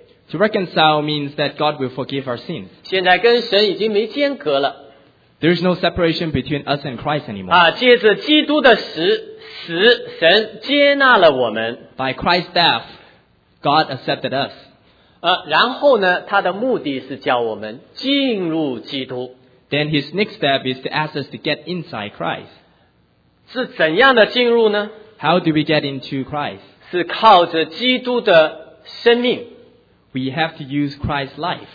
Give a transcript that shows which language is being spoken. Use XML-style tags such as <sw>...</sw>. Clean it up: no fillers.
<en>To reconcile means that God will forgive our sins.</en> <zh>现在跟神已经没间隔了。</zh> <en>There is no separation between us and Christ anymore.</en> <zh>借着基督的死，神接纳了我们。</zh> <en>By Christ's death, God accepted us.</en> <zh>然后呢, 他的目的是叫我们进入基督。</zh> <en>Then his next step is to ask us to get inside Christ.</en> <zh>是怎样的进入呢?</zh> <en>How do we get into Christ?</en> <zh>是靠着基督的生命。</zh> <en>We have to use Christ's life.</en>